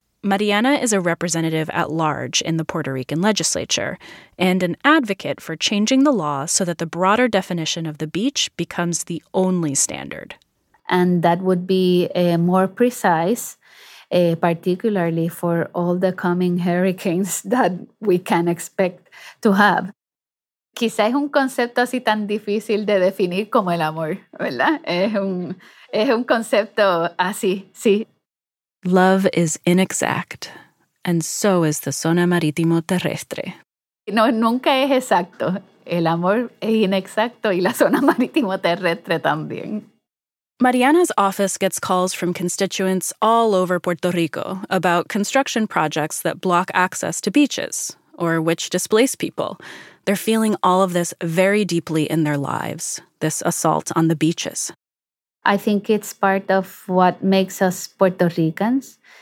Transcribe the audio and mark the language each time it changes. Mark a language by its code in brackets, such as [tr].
[en] Mariana is a representative at large in the Puerto Rican legislature and an advocate for changing the law so that the broader definition of the beach becomes the only standard. And that would be more precise, particularly for all the coming hurricanes that we can expect to have. [es] Quizá es un concepto así tan difícil de definir como el amor, ¿verdad? Es un concepto así, sí. [en] Love is inexact, and so is the zona marítimo terrestre. [es] No, nunca es exacto. El amor es inexacto y la zona marítimo terrestre también. [en] Mariana's office gets calls from constituents all over Puerto Rico about construction projects that block access to beaches or which displace people. They're feeling all of this very deeply in their lives, this assault on the beaches. I think it's part of what makes us Puerto Ricans.